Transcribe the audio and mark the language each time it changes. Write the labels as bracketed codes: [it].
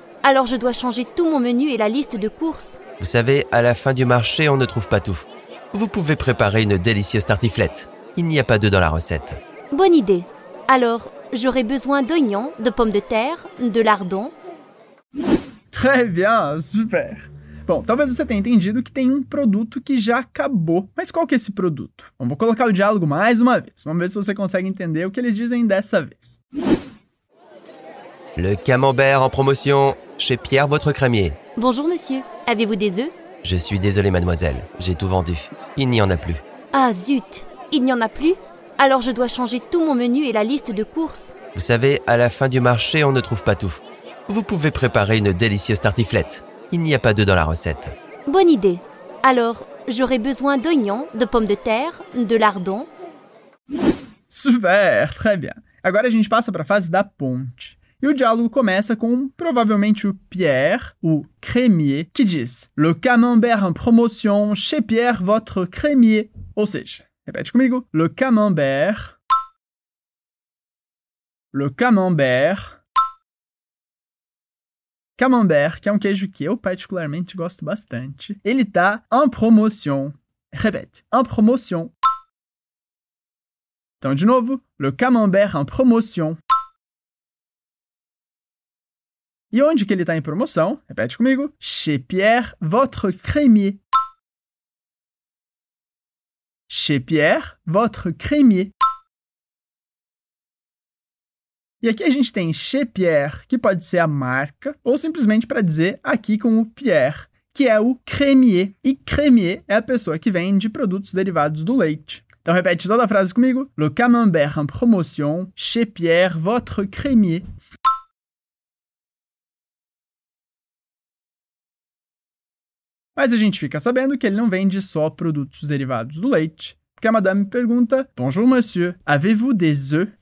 [fr] Alors je dois changer tout mon menu et la liste de courses. Vous savez, à la fin du marché, on ne trouve pas tout. Vous pouvez préparer une délicieuse tartiflette. Il n'y a pas d'œufs dans la recette. Bonne idée. Alors, j'aurai besoin d'oignons, de pommes de terre, de lardons. Très bien, super. [pt] Bom, talvez você tenha entendido que tem um produto que já acabou. Mas qual que é esse produto? Bom, vou colocar o diálogo mais uma vez. Vamos ver se você consegue entender o que eles dizem dessa vez. [fr] Le camembert en promotion, chez Pierre Votre Crémier. Bonjour monsieur, avez-vous des œufs? Je suis désolé mademoiselle, j'ai tout vendu. Il n'y en a plus. Ah zut, il n'y en a plus? Alors je dois changer tout mon menu et la liste de courses. Vous savez, à la fin du marché, on ne trouve pas tout. Vous pouvez préparer une délicieuse tartiflette. Il n'y a pas d'œufs dans la recette. Bonne idée. Alors, j'aurai besoin d'oignons, de pommes de terre, de lardons. Super, très bien. [pt] Agora a gente passa para a fase da ponte. E o diálogo começa com, provavelmente, o Pierre, o Crémier, que diz [fr] Le camembert en promotion chez Pierre, votre Crémier. [pt] Ou seja, repete comigo. [fr] Le camembert. Le camembert. [pt] Camembert, que é um queijo que eu particularmente gosto bastante. Ele tá [fr] en promotion. [pt] Repete. [fr] En promotion. [pt] Então, de novo. [fr] Le camembert en promotion. [pt] E onde que ele está em promoção? Repete comigo. [fr] Chez Pierre, votre Crémier. Chez Pierre, votre Crémier. [pt] E aqui a gente tem chez Pierre, que pode ser a marca, ou simplesmente para dizer aqui com o Pierre, que é o Crémier. E Crémier é a pessoa que vende produtos derivados do leite. Então repete toda a frase comigo. [fr] Le camembert en promotion, chez Pierre, votre Crémier. [pt] Mas a gente fica sabendo que ele não vende só produtos derivados do leite. Porque a madame pergunta, [fr] Bonjour, monsieur, avez-vous des œufs?